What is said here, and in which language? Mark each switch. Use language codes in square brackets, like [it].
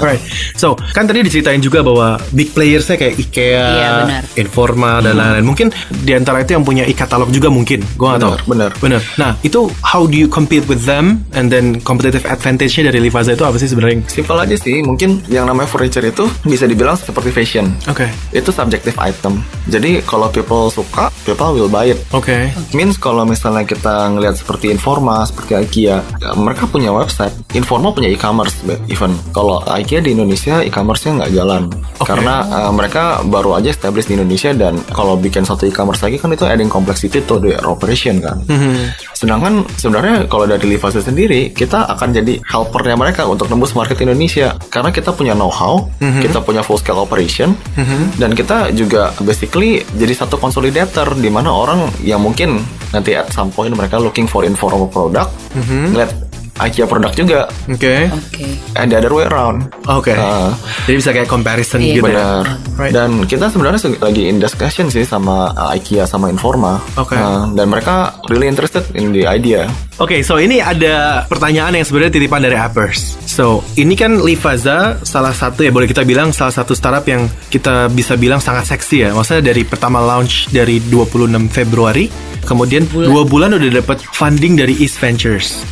[id] Right. So, kan tadi diceritain juga bahwa [en] big players- [id] nya kayak IKEA, iya, Informa dan lain-lain. Mungkin di antara itu yang punya e-katalog juga mungkin. Gua enggak tahu. Benar. [en] Benar. Nah, itu how do you compete with them and then competitive advantage-nya [id] dari Livaza itu apa sih sebenarnya? Simple aja sih. Mungkin yang namanya furniture itu bisa dibilang seperti fashion. Oke. Okay. Itu subjective item. Jadi, kalau [en] people suka, people will buy it. [id] Oke. [en] Okay. Means [id] kalau misalnya kita ngelihat seperti Informa, seperti IKEA, ya, mereka punya website. Informa punya e-commerce even. Kalau IKEA di Indonesia e-commerce-nya nggak jalan. [en] Okay. [id] Karena mereka baru aja establish di Indonesia dan kalau bikin satu e-commerce lagi kan itu [en] adding complexity to the operation [id] kan. Sedangkan sebenarnya kalau dari Livaza sendiri, kita akan jadi helpernya mereka untuk nembus market Indonesia. Karena kita punya know-how, kita punya full-scale operation, dan kita juga basically jadi satu consolidator di mana orang yang mungkin nanti at some point mereka [en] looking for informal product, [id] ngeliat IKEA produk juga. Oke. Okay. [en] Okay. And the other way around. [id] Oke. Okay. Jadi bisa kayak comparison gitu. Benar. Ya? Right. Dan kita sebenarnya lagi [en] in discussion [id] sih sama IKEA sama Informa. Oke. Okay. Dan mereka [en] really interested in the idea. [id] Oke, [en] okay, so [id] ini ada pertanyaan yang sebenarnya titipan dari Appers. So, ini kan Livaza salah satu ya, boleh kita bilang salah satu startup yang kita bisa bilang sangat seksi ya. Maksudnya dari pertama launch dari 26 Februari, kemudian 2 bulan udah dapat funding dari East Ventures.